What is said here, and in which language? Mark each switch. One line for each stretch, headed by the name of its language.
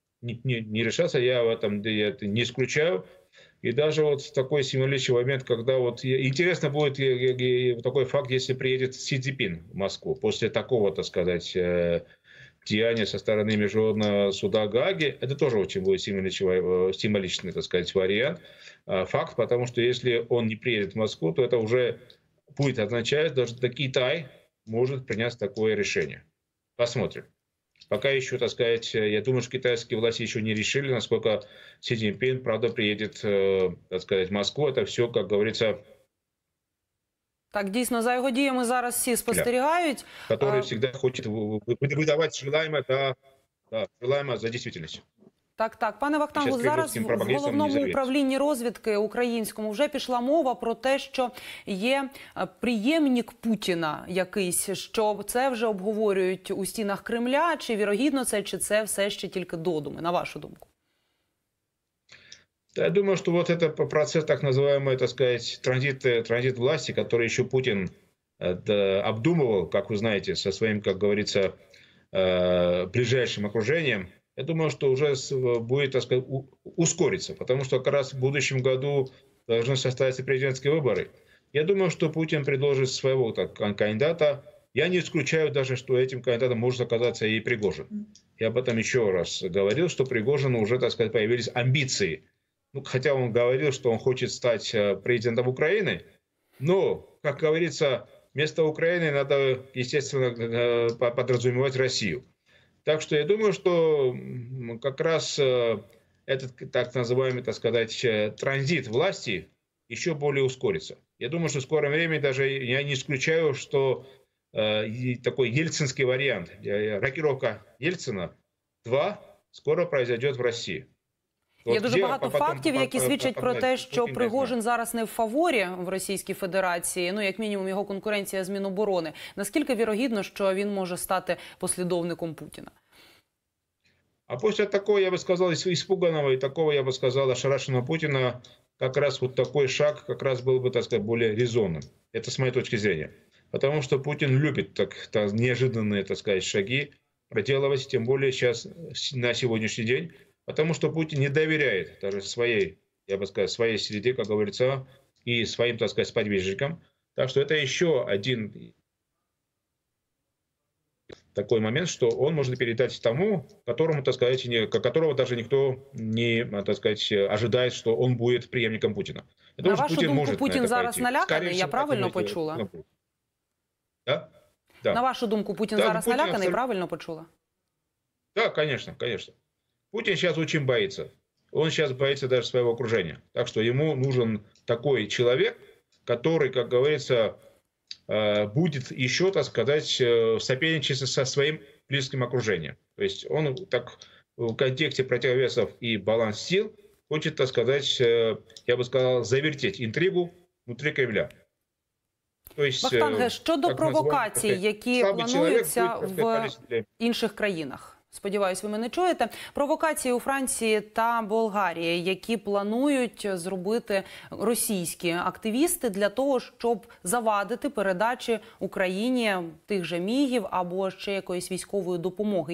Russian: Не решатся, я в этом это не исключаю. И даже вот такой символический момент, когда вот интересно будет такой факт, если приедет Си Цзиньпин в Москву после такого, так сказать, деяния со стороны Международного суда Гааги, это тоже очень будет символичный, так сказать, вариант, факт, потому что если он не приедет в Москву, то это уже будет означать, что даже Китай может принять такое решение. Посмотрим. Пока еще, так сказать, я думаю, что китайские власти еще не решили, насколько Си Цзиньпин, правда, приедет, так сказать, в Москву. Это все, как говорится...
Ukrainian: Так, дійсно, за його діями зараз всі спостерігають.
Russian: Который всегда хочет выдавать желаемое, да, да, желаемое за действительность.
Ukrainian: Так, так. Пане Вахтангу, зараз в головному управлінні розвідки українському вже пішла мова про те, що є приємник Путіна якийсь, що це вже обговорюють у стінах Кремля, чи вірогідно це, чи це все ще тільки додуми, на вашу думку?
Russian: Я думаю, что вот это процесс, так называемый, так сказать, транзит власти, который еще Путин обдумывал, как вы знаете, со своим, как говорится, ближайшим окружением. Я думаю, что уже будет, так сказать, ускориться, потому что как раз в будущем году должны состояться президентские выборы. Я думаю, что Путин предложит своего кандидата. Я не исключаю даже, что этим кандидатом может оказаться и Пригожин. Я об этом еще раз говорил, что Пригожину уже, так сказать, появились амбиции. Ну, хотя он говорил, что он хочет стать президентом Украины, но, как говорится, вместо Украины надо, естественно, подразумевать Россию. Так что я думаю, что как раз этот так называемый, так сказать, транзит власти еще более ускорится. Я думаю, что в скором времени даже я не исключаю, что такой ельцинский вариант, рокировка Ельцина 2 скоро произойдет в России.
Ukrainian: Є дуже багато фактів, які свідчать про те, що Пригожин зараз не в фаворі в Російській Федерації, ну, як мінімум, його конкуренція з Міноборони. Наскільки вірогідно, що він може стати послідовником Путіна? А після такого, я би сказав, іспуганого і такого, я би сказав, ошарашеного Путіна, якраз от такий шаг, якраз був би, так сказати, більш резонним. Це з моєї точки зору. Тому що Путін любить так, неожиданні, так сказати, шаги проделувати, тим більше зараз, на сьогоднішній день.
Russian: Потому что Путин не доверяет даже своей, я бы сказал, своей среде, как говорится, и своим, так сказать, сподвижникам. Так что это еще один такой момент, что он можно передать тому, которому, так сказать, которого даже никто не, так сказать, ожидает, что он будет преемником Путина.
Ukrainian: Я думаю, на вашу думку, может Путин зараз наляканный? Я правильно почула?
Russian: Да? Да.
Ukrainian: На вашу думку, Путин да, зараз наляканный? Правильно почула?
Russian: Да, конечно, конечно. Путин сейчас очень боится. Он сейчас боится даже своего окружения. Так что ему нужен такой человек, который, как говорится, будет еще, так сказать, соперничать со своим близким окружением. То есть он так в контексте противовесов и баланс сил хочет, так сказать, я бы сказал, завертеть интригу внутри Кремля.
Ukrainian: То есть, Вахтанге, щодо провокацій, які плануються в інших країнах? Сподіваюсь, ви мене чуєте. Провокації у Франції та Болгарії, які планують зробити російські активісти для того, щоб завадити передачі Україні тих же мігів або ще якоїсь військової допомоги.